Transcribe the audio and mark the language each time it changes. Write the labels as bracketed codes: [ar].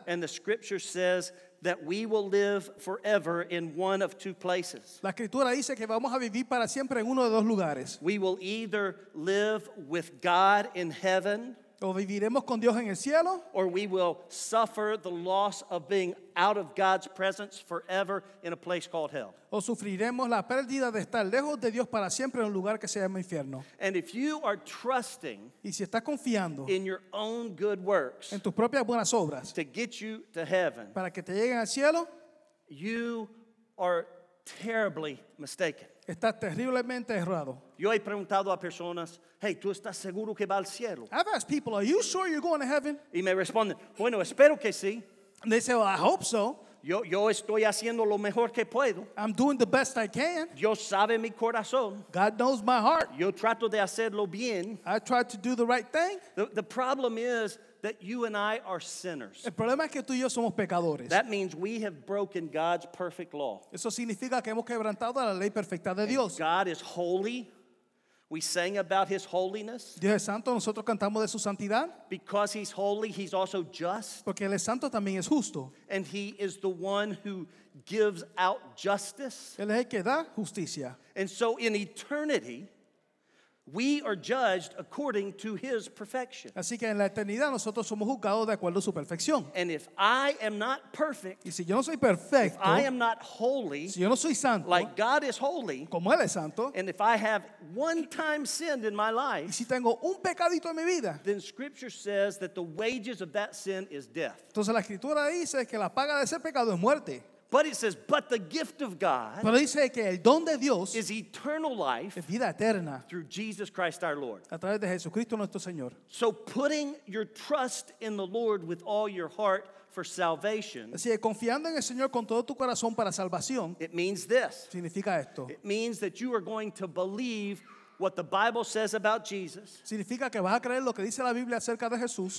[en] And the scripture says that we will live forever in one of two places. [es] La escritura dice que vamos a vivir para siempre en uno de dos lugares. [en] We will either live with God in heaven. [es] O viviremos con Dios en el cielo. [en] Or we will suffer the loss of being out of God's presence forever in a place called hell. [es] O sufriremos la pérdida de estar lejos de Dios para siempre en un lugar que se llama infierno. [en] And if you are trusting, [es] y si estás confiando, [en] in your own good works, [es] en tus propias buenas obras, [en] to get you to heaven, [es] para que te lleguen al cielo, [en] you are terribly mistaken. [es] Estás terriblemente errado. Yo he preguntado a personas, hey, ¿tú estás seguro que va al cielo? [en] I've asked people, are you sure you're going to heaven? [es] Y me responden, bueno, espero que sí. [en] And they say, well, I hope so. [es] Yo estoy haciendo lo mejor que puedo. [en] I'm doing the best I can. [es] Dios sabe mi corazón. [en] God knows my heart. [es] Yo trato de hacerlo bien. [en] I try to do the right thing. The problem is that you and I are sinners. [es] El problema es que tú y yo somos pecadores. [en] That means we have broken God's perfect law. [es] Eso significa que hemos quebrantado la ley perfecta de Dios. [en] God is holy. We sang about his holiness. [es] Dios es santo, nosotros cantamos de su santidad. [en] Because he's holy, he's also just. [es] Porque él es santo, también es justo. [en] And he is the one who gives out justice. [es] Él es el que da justicia. [en] And so in eternity, we are judged according to his perfection. [es] Así que en la eternidad nosotros somos juzgados de acuerdo a su perfección. [en] And if I am not perfect, [es] y si yo no soy perfecto, [en] if I am not holy, [es] si yo no soy santo, [en] like God is holy, [es] como él es santo, [en] and if I have one time sinned in my life, [es] y si tengo un pecadito en mi vida, [en] then scripture says that the wages of that sin is death. [es] Entonces la escritura dice que la paga de ese pecado es muerte. [en] But it says, but the gift of God, [es] pero dice que el don de Dios, [en] is eternal life, [es] es vida eterna, [en] through Jesus Christ our Lord, [es] a través de Jesucristo nuestro Señor. [en] So putting your trust in the Lord with all your heart for salvation, [es] así que confiando en el Señor con todo tu corazón para salvación, [en] it means this, [es] significa esto, [en] it means that you are going to believe what the Bible says about Jesus. [es] Significa que vas a creer lo que dice la Biblia acerca de Jesús.